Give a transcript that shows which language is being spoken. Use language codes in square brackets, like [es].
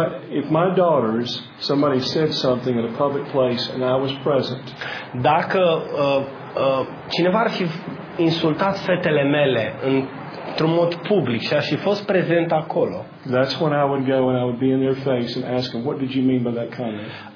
[en] If my daughters, somebody said something in a public place and I was present. [ro] Dacă cineva ar fi insultat fetele mele în într-un mod public și aș fi fost prezent acolo. [en] That's when I would go and I would be in their face and ask them, what did you mean by that comment?